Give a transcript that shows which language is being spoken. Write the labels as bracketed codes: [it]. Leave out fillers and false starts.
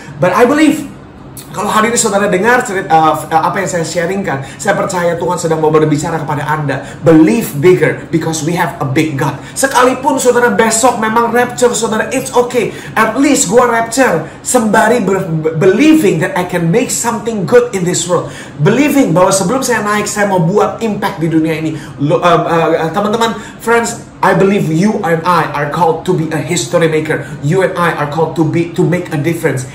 [en] But I believe, [id] kalau hari ini saudara dengar cerita, apa yang saya sharingkan, saya percaya Tuhan sedang mau berbicara kepada Anda. [en] Believe bigger because we have a big God. [id] Sekalipun saudara besok memang rapture, saudara, [en] it's okay. At least [id] gua [en] rapture [id] sembari [en] believing that I can make something good in this world. [id] Believing bahwa sebelum saya naik, saya mau buat impact di dunia ini. [en] Teman-teman, friends, I believe you and I are called to be a history maker. You and I are called to make a difference.